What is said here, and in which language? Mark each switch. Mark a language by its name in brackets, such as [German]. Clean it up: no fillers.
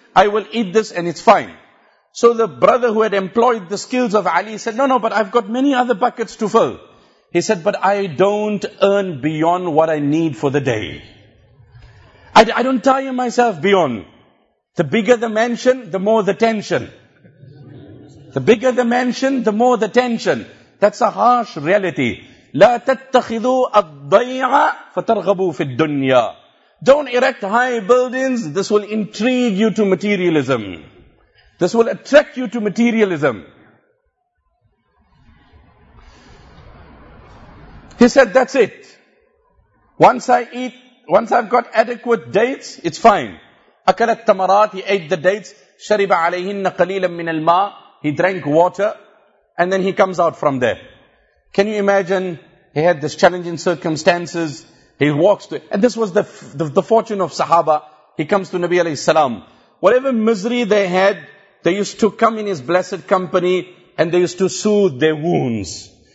[English] I will eat this and it's fine. So the brother who had employed the skills of Ali said, no, but I've got many other buckets to fill. He said, but I don't earn beyond what I need for the day. I don't tire myself beyond. The bigger the mansion, the more the tension. The bigger the mansion, the more the tension. That's a harsh reality. [Arabic] لا تتخذوا الضيعة فترغبوا في الدنيا. [English] Don't erect high buildings. This will intrigue you to materialism. This will attract you to materialism. He said, that's it. Once I've got adequate dates, it's fine. [Arabic] أكل التمرات, [English] he ate the dates. [Arabic] شرب عليهن قليلا من الماء, [English] he drank water. And then he comes out from there. Can you imagine? He had this challenging circumstances. He walks to, and this was the fortune of Sahaba. He comes to Nabi alayhi salam. Whatever misery they had, they used to come in his blessed company and they used to soothe their wounds.